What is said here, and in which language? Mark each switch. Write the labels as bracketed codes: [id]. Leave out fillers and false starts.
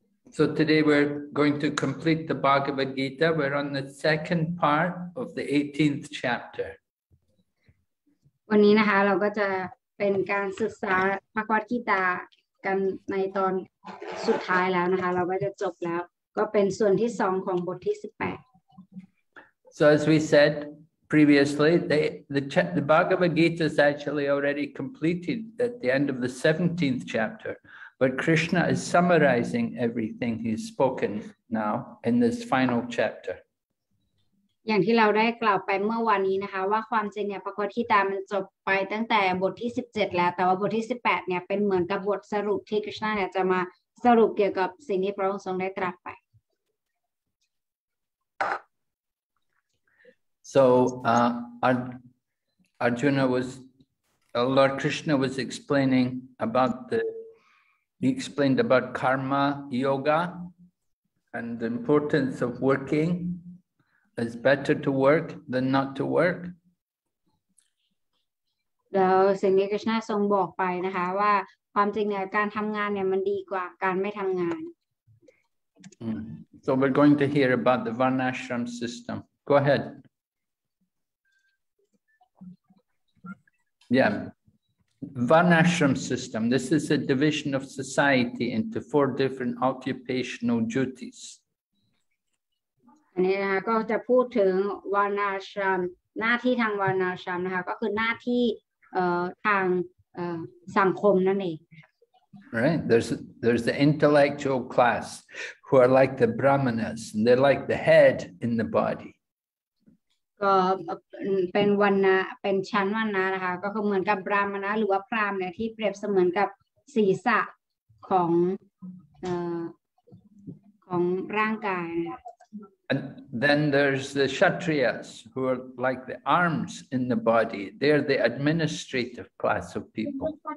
[en] So today we're going to complete the Bhagavad Gita. We're on the second part of the 18th chapter. [th] วันนี้นะคะเราก็จะเป็นการศึกษาพระกัฏฐกีตากันในตอนสุดท้ายแล้วนะคะเราก็จะจบแล้วก็เป็นส่วนที่2ของบทที่18 [en] So as we said previously the Bhagavad Gita is actually already completed at the end of the 17th chapter but Krishna is summarizing everything he's spoken now in this final chapter. [th] อย่างที่เราได้กล่าวไปเมื่อวานนี้นะคะว่าความจริงเนี่ยพระกัฏฐกีตามันจบไปตั้งแต่บทที่17แล้วแต่ว่าบทที่18เนี่ยเป็นเหมือนกับบทสรุปที่คริสต์เนี่ยจะมาสรุปเกี่ยวกับสิ่งที่พระองค์ทรงได้ตรัสไป [en] So Arjuna was Lord Krishna was explaining about the he explained about karma yoga and the importance of workingIt's better to work than not to work. So we're going to hear about the Varnashram system. Go ahead. Yeah. Varnashram system. This is a division of society into four different occupational duties. [th] อันนี้นะคะก็จะพูดถึงวานาชามหน้าที่ทางวานาชามนะคะก็คือหน้าที่ทางสังคมนั่นเอง [en] right there's the intellectual class who are like the brahmanas and they're like the head in the body [th] ก็เป็นวานาเป็นชั้นวานานะคะก็คือเหมือนกับบราหมณะหรือว่าพราหมณ์เนี่ยที่เปรียบเสมือนกับศีรษะของของร่างกาย [en] And then there's the Kshatriyas, who are like the arms in the body. They're the administrative class of people.